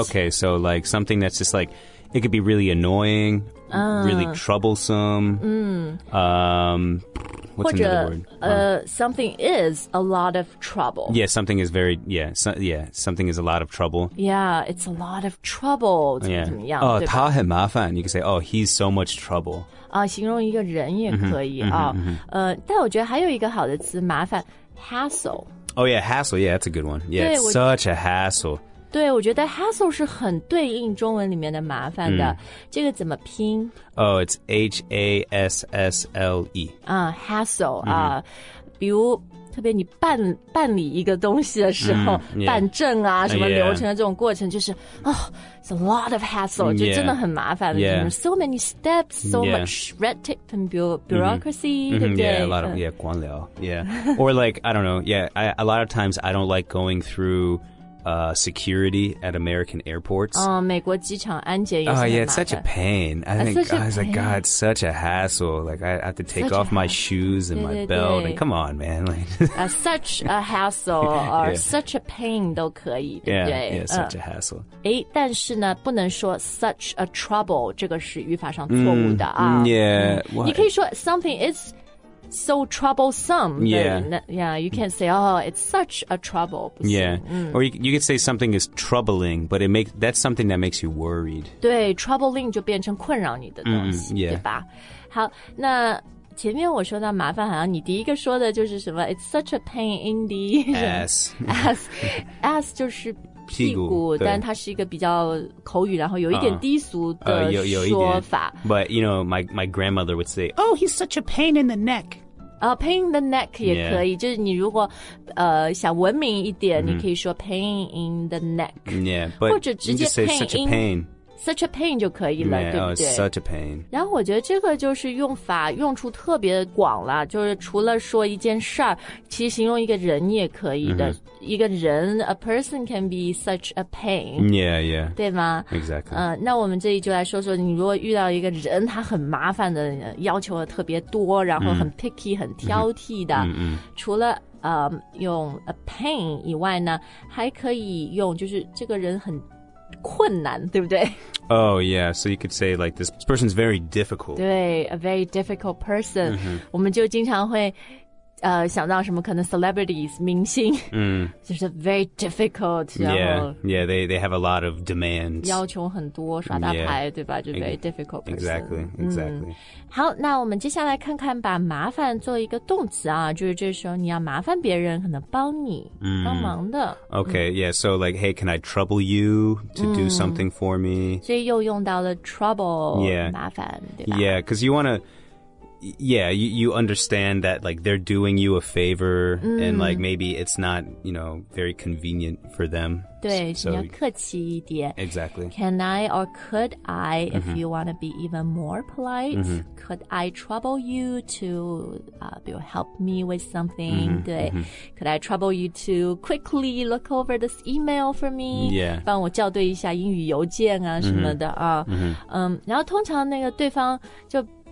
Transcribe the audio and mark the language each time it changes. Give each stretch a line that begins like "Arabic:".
English: Okay, so like something that's just like it could be really annoying、really troublesome、What's another word? Something is a lot of trouble. Yeah, something is very, yeah, so, yeah, something is a lot of trouble. Yeah, it's a lot of trouble. Yeah. Oh,
Chinese: 他很麻烦.
English: You can say, oh, he's so much trouble.
Chinese: 啊、形容一个人也可以啊、 mm-hmm, mm-hmm, 但我觉得还有一个好的词麻烦 hassle.
English: Oh, yeah, hassle. Yeah, that's a good one. Yeah, it's such a hassle.
Chinese: 对，我觉得 hassle 是很对应中文里面的麻烦的。这个怎么拼？
English: Oh, it's H-A-S-S-L-E.
Chinese: Hassle. Mm-hmm. 比如特别你办理一个东西的时候、办证啊什么流程的这种过程就是、
English: it's a lot of hassle、
Chinese: 就真的很麻烦的、
English: so many steps, so、much red tape and bureaucracy、
Chinese: 对不对
English: yeah, a lot of, yeah, 官僚 yeah. Or like, I don't know, yeah, a lot of times I don't like going throughsecurity at American airports.
Chinese: Oh, 美国机场安检也是很麻烦。
English: Oh, yeah, it's such a pain. I think, I was like, God, it's such a hassle. Like, I have to take off my shoes and my belt. And come on, man. such a hassle or such a pain
Chinese: 都可以，对不对？
English: Yeah, such a hassle.
Chinese: 诶，但是呢，不能说 such a trouble. 这个是语法上错误的啊。
English: Yeah.
Chinese: 你可以说
English: something is... So troublesome. Yeah. Yeah. You can't say, oh, it's such a trouble. Yeah. Or you could say something is troubling, but that's something that makes you worried.
Chinese: 对 troubling 就变成困扰你的东西、对吧好那前面我说到麻烦好像你第一个说的就是什么
English: it's such a pain in the ass.
Chinese: ass 就是屁股但它是一个比较口语然后有一点低俗的说法
English: But you know my grandmother would say Oh he's such a pain in the neck
Chinese: Pain in the neck 也可以、就是你如果、想文明一点、你可以说 pain in the neck
English: Yeah but
Chinese: 或者直接
English: you can just say such a pain
Chinese: Such a pain 就可以了
English: yeah,
Chinese: 对不对、
English: such a pain
Chinese: 然后我觉得这个就是用法用处特别广了就是除了说一件事儿其实形容一个人也可以的、一个人
English: A person can be such a pain Yeah, yeah
Chinese: 对吗
English: Exactly、
Chinese: 那我们这里就来说说你如果遇到一个人他很麻烦的要求特别多然后很 picky、很挑剔的、除了用 a pain 以外呢还可以用就是这个人很困难对不对
English: Oh yeah So you could say like This person's very difficult
Chinese: 对
English: A very difficult person、
Chinese: 我们就经常会、想到什么可能 celebrities 明星、
English: Just a very difficult Yeah Yeah they have a lot of demands
Chinese: 要求很多耍大牌、对吧就 very difficult person
English: Exactly Exactly、
Chinese: 好那我们接下来看看把麻烦做一个动词啊就是这时候你要麻烦别人可能帮你、帮忙的
English: Okay、yeah so like Hey can I trouble you To、do something for me
Chinese: 所以又用到了 trouble
English: Yeah
Chinese: 麻烦对吧
English: Yeah cause you wanna Yeah you understand that like They're doing you a favor、And like maybe it's not You know very convenient for them
Chinese: 对、so, 你要客气一点
English: Exactly Can I or could I、If you want to be even more polite、Could I trouble you to、Help me with something、对、Could I trouble you to Quickly look over this email for me Yeah
Chinese: 帮我校对一下英语邮件啊什么的啊、然后通常那个对方就